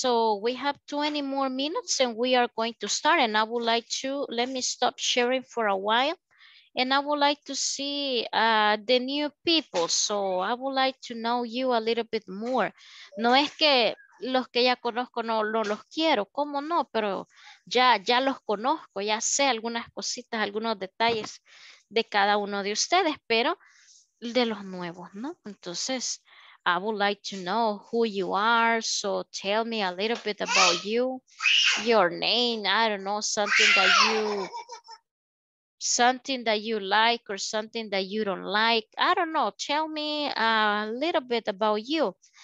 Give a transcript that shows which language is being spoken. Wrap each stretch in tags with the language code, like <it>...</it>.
<en>So we have 20 more minutes and we are going to start, and I would like to, let me stop sharing for a while. And I would like to see the new people. So I would like to know you a little bit more.</en> <es>No es que los que ya conozco no los quiero. ¿Cómo no? Pero ya los conozco. Ya sé algunas cositas, algunos detalles de cada uno de ustedes. Pero de los nuevos, ¿no? Entonces,</es> <en>I would like to know who you are, so tell me a little bit about you, your name, I don't know, something that you like or something that you don't like. I don't know, tell me a little bit about you.</en>